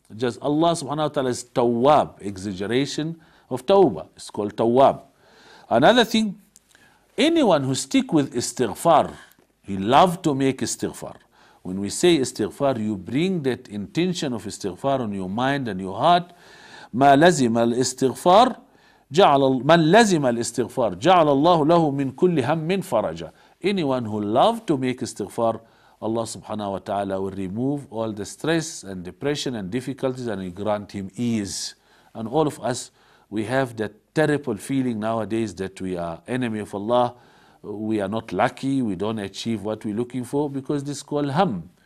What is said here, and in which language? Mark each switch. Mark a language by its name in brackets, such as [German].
[English] Just Allah subhanahu wa ta'ala is tawwab, exaggeration of tawbah. It's called tawwab. Another thing, anyone who stick with istighfar, he love to make istighfar. When we say istighfar, you bring that intention of istighfar on your mind and your heart. [Arabic] Ma lazim al istighfar. من لزم الاستغفار جعل الله له من كل هم من فرجا. [English] Anyone who loves to make istighfar, Allah subhanahu wa ta'ala will remove all the stress and depression and difficulties and will grant him ease. And all of us, we have that terrible feeling nowadays that we are enemy of Allah, we are not lucky, we don't achieve what we're looking for, because this is called ham.